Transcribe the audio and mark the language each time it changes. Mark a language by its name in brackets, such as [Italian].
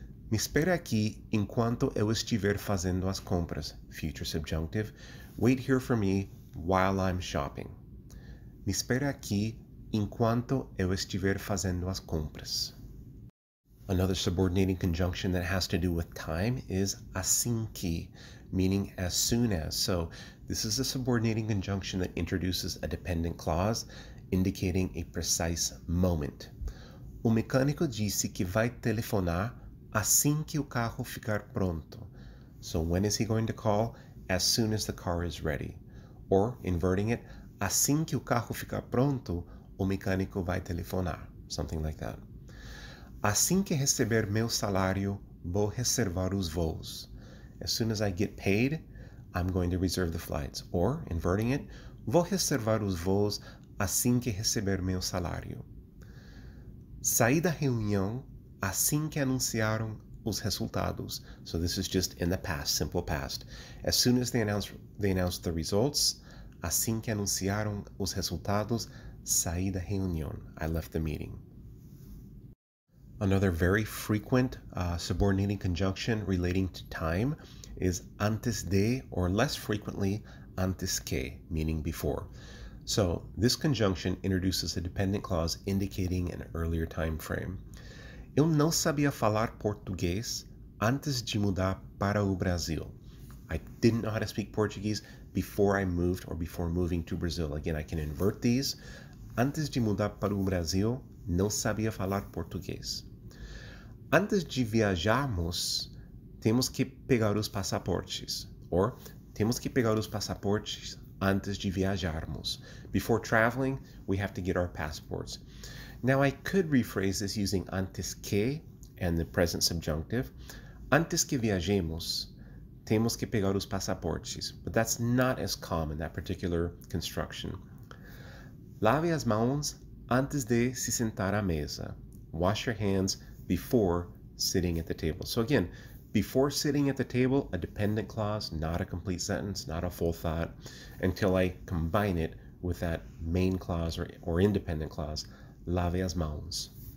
[Portuguese] Me espera aqui enquanto eu estiver fazendo as compras. [English] Future subjunctive. Wait here for me while I'm shopping. [Portuguese] Me espera aqui enquanto eu estiver fazendo as compras. [English] Another subordinating conjunction that has to do with time is assim que, meaning as soon as. So this is a subordinating conjunction that introduces a dependent clause indicating a precise moment. [Portuguese] O mecânico disse que vai telefonar assim que o carro ficar pronto. [English] So when is he going to call? As soon as the car is ready. Or, inverting it, [Portuguese] assim que o carro ficar pronto, o mecânico vai telefonar. [English] Something like that. [Portuguese] Assim que receber meu salário, vou reservar os voos. [English] As soon as I get paid, I'm going to reserve the flights. Or, inverting it, [Portuguese] vou reservar os voos assim que receber meu salário. Saí da reunião assim que anunciaram os resultados. [English] So this is just in the past, simple past. As soon as they announced the results, [Portuguese] assim que anunciaram os resultados, saí da reunião. [English] I left the meeting. Another very frequent subordinating conjunction relating to time is antes de, or less frequently, antes que, meaning before. So this conjunction introduces a dependent clause indicating an earlier time frame. [Portuguese] Eu não sabia falar português antes de mudar para o Brasil. [English] I didn't know how to speak Portuguese before I moved or before moving to Brazil. Again, I can invert these. [Portuguese] Antes de mudar para o Brasil, não sabia falar português. Antes de viajarmos, temos que pegar os passaportes. Or, temos que pegar os passaportes antes de viajarmos. [English] Before traveling, we have to get our passports. Now, I could rephrase this using antes que and the present subjunctive. [Portuguese] Antes que viajemos, temos que pegar os passaportes. [English] But that's not as common, that particular construction. [Portuguese] Lave as mãos antes de se sentar à mesa. [English] Wash your hands before sitting at the table. So again, before sitting at the table, a dependent clause, not a complete sentence, not a full thought, until I combine it with that main clause or independent clause, [Portuguese] lave as mãos.